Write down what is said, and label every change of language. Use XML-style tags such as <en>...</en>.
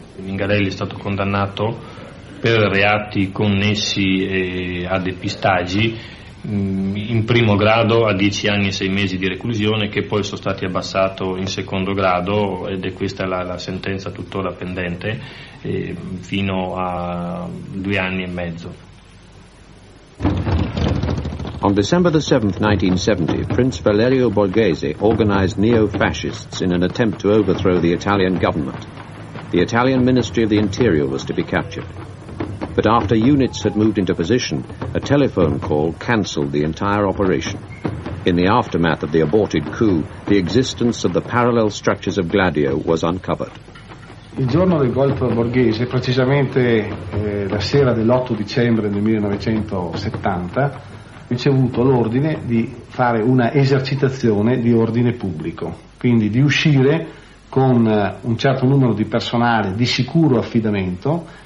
<it>Mingarelli è stato condannato per reati connessi a depistaggi, in primo grado a 10 anni e 6 mesi di reclusione, che poi sono stati abbassati in secondo grado, ed è questa la sentenza tuttora pendente, fino a 2 anni e mezzo.</it> <en>On December the 7th, 1970, Prince Valerio Borghese organized neo-fascists in an attempt to overthrow the Italian government. The Italian Ministry of the Interior was to be captured. But after units had moved into position, a telephone call cancelled the entire operation. In the aftermath of the aborted coup, the existence of the parallel structures of Gladio was uncovered.</en> <it>Il giorno del golpe Borghese, precisamente la sera dell'8 dicembre del 1970, ho ricevuto l'ordine di fare una esercitazione di ordine pubblico, quindi di uscire con un certo numero di personale di sicuro affidamento.</it>